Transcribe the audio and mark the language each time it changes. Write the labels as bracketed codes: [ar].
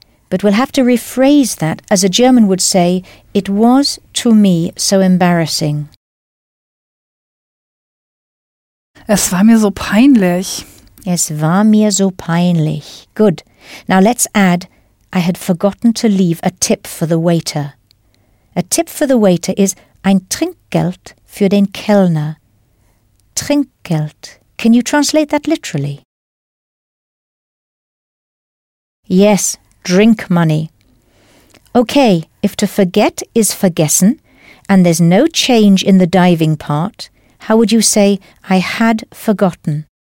[en] But we'll have to rephrase that, as a German would say, it was to me so embarrassing. [de] Es war mir so peinlich. Es war mir so peinlich. [en] Good. Now let's add, I had forgotten to leave a tip for the waiter. A tip for the waiter is [de] ein Trinkgeld für den Kellner. Trinkgeld. [en] Can you translate that literally? Yes, drink money. Okay, if to forget is vergessen, and there's no change in the diving part, how would you say, I had forgotten?